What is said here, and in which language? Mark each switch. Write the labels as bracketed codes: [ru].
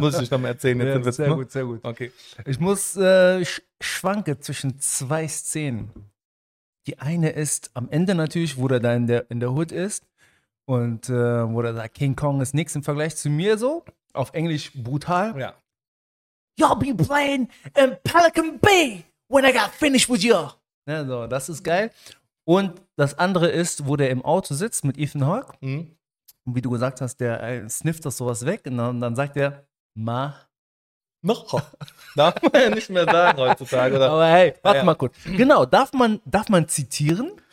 [de] Muss ich dich nochmal erzählen. Jetzt Witz, sehr gut, sehr gut. Okay. Ich muss schwanke zwischen zwei Szenen. Die eine ist am Ende natürlich, wo er da in der Hood ist. Und wo er sagt, King Kong ist nichts im Vergleich zu mir so. Auf Englisch brutal. Ja. [en] Y'all be playing in Pelican Bay when I got finished with you. [de] Ja, so, das ist geil. Und das andere ist, wo der im Auto sitzt mit Ethan Hawke. Mhm. Und wie du gesagt hast, der snifft das sowas weg. Und dann sagt er, noch. Darf man ja nicht mehr sagen heutzutage. Oder? Aber hey, warte mal kurz. Genau, darf man zitieren?